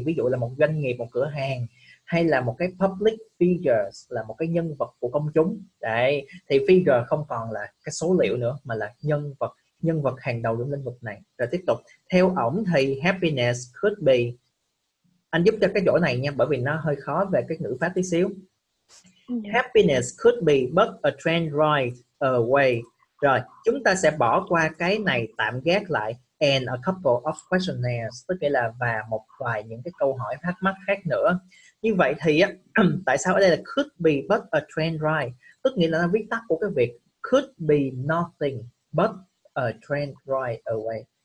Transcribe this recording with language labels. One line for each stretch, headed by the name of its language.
Vietnamese: Ví dụ là một doanh nghiệp, một cửa hàng, hay là một cái public figure, là một cái nhân vật của công chúng. Đấy, thì figure không còn là cái số liệu nữa, mà là nhân vật hàng đầu trong lĩnh vực này. Rồi tiếp tục, theo ổng thì
English: happiness could be,
Vietnamese: anh giúp cho cái chỗ này nha, bởi vì nó hơi khó về cái ngữ pháp tí xíu.
English: Happiness could be but a trend right away.
Vietnamese: Rồi, chúng ta sẽ bỏ qua cái này, tạm gác lại,
English: and a couple of questionnaires,
Vietnamese: tức nghĩa là và một vài những cái câu hỏi thắc mắc khác nữa. Như vậy thì á, tại sao ở đây là
English: could be but a trend right?
Vietnamese: Tức nghĩa là nó viết tắt của cái việc
English: could be nothing but a trend right away.